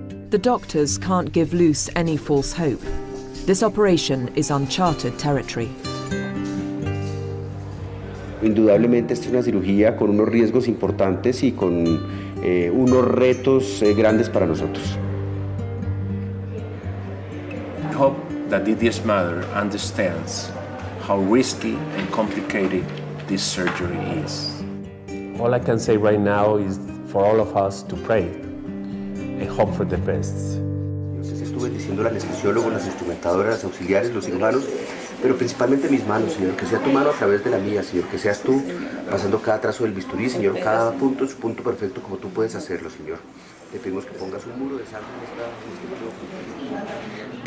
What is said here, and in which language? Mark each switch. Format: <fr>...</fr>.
<en>The doctors can't give Luz any false hope. This operation is uncharted territory.</en> <es>Indudablemente esta es una cirugía con unos riesgos importantes y con unos retos grandes para nosotros.</es> <en>I hope that Didier's mother understands how risky and complicated this surgery is. All I can say right now is for all of us to pray and hope for the best.</en> <es>Estuve diciendo al anestesiólogo, las instrumentadoras, las auxiliares, los cirujanos, pero principalmente mis manos, Señor, que sea tu mano a través de la mía, Señor, que seas tú pasando cada trazo del bisturí, Señor, cada punto, su punto perfecto, como tú puedes hacerlo, Señor. Te pedimos que pongas un muro de sal en esta...</es>